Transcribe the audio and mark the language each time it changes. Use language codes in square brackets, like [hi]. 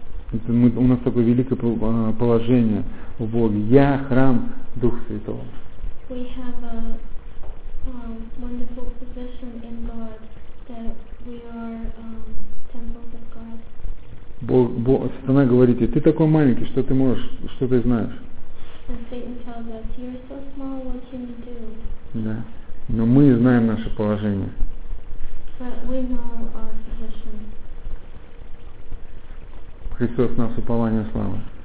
[ru] Это мы, у нас такое великое положение в Боге. Я храм Духа Святого. [en] We have a wonderful position in God that we are temples of God. [ru] Бог, сатана говорит, ты такой маленький, что ты можешь, что ты знаешь? [en] And Satan tells us, you're so small, what can you do? [ru] Да. Но мы знаем наше положение. [en] But we know our position. [ru] Христос нас упование славы.